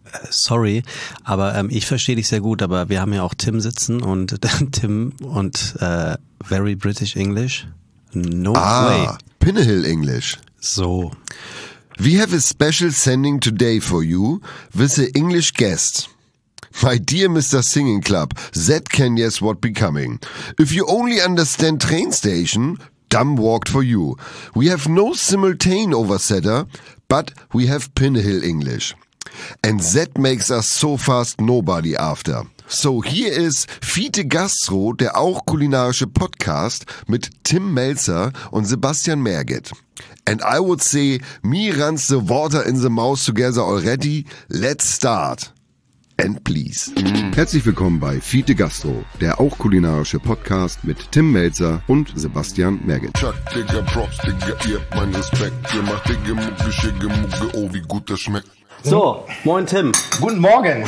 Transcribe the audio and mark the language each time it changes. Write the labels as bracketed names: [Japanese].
[German] Sorry, aber ich verstehe dich sehr gut, aber wir haben ja auch Tim sitzen und Tim und [English] very British English. No way. Ah, Pinnehill English. So. We have a special sending today for you with an English guest. My dear Mr. Singing Club, that can guess what be coming. If you only understand train station, dumb walked for you. We have no simultane oversetter, but we have Pinnehill English. And that makes us so fast nobody after. So here is [German] Fiete Gastro, der auch kulinarische Podcast mit Tim Melzer und Sebastian Merget. [English] And I would say, me runs the water in the mouth together already. Let's start. And please. [German] Herzlich willkommen bei Fiete Gastro, der auch kulinarische Podcast mit Tim Melzer und Sebastian Merget. Chuck, Digga, Props, Digga, ihr habt meinen Respekt. Ihr macht Digga, Mucke, Schicke, Mucke, oh, wie gut das schmeckt. So, moin Tim. Guten Morgen.